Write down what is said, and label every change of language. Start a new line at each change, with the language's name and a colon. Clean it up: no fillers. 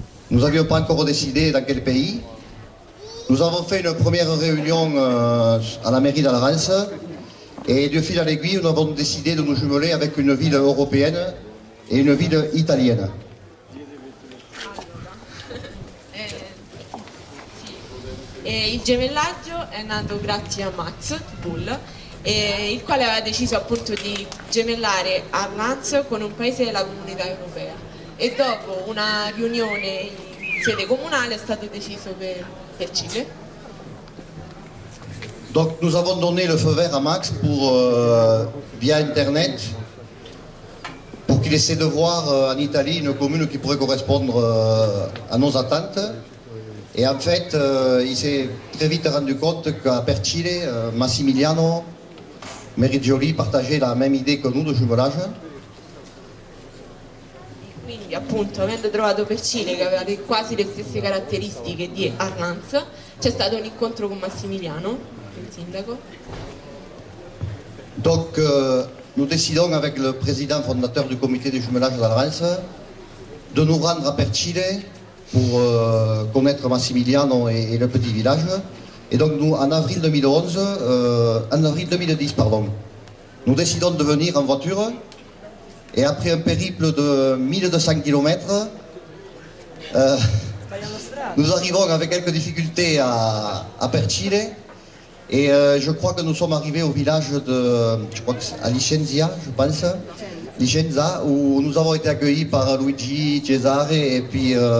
French: Nous n'avions pas encore décidé dans quel pays. Nous avons fait une première réunion à la mairie d'Alrans et de fil à l'aiguille, nous avons décidé de nous jumeler avec une ville européenne et une ville italienne.
Italian: Il gemellaggio è nato grazie a Max Bull il quale aveva deciso appunto di gemellare Arlanzo con un paese della comunità europea, e dopo una riunione in sede comunale è stato deciso per Cile.
French: Donc nous avons donné le feu vert à Max pour via internet pour qu'il essaie de voir en Italie une commune qui pourrait correspondre à nos attentes. Et en fait, il s'est très vite rendu compte qu'à Percile, Massimiliano Meriggioli partageait la même idée que nous de jumelage.
Italian: Quindi appunto, avendo trovato Percile che aveva quasi le stesse caratteristiche di Arlanzo, c'è stato un incontro con Massimiliano, il sindaco.
French: Donc nous décidons avec le président fondateur du comité de jumelage d'Arlanzo de nous rendre à Percile pour connaître Massimiliano et le petit village. Et donc nous, en avril 2010, nous décidons de venir en voiture, et après un périple de 1200 km, nous arrivons avec quelques difficultés à Percile, et je crois que nous sommes arrivés au village de, je crois que c'est à Licenza, je pense, Licenza, où nous avons été accueillis par Luigi, Cesare, et puis...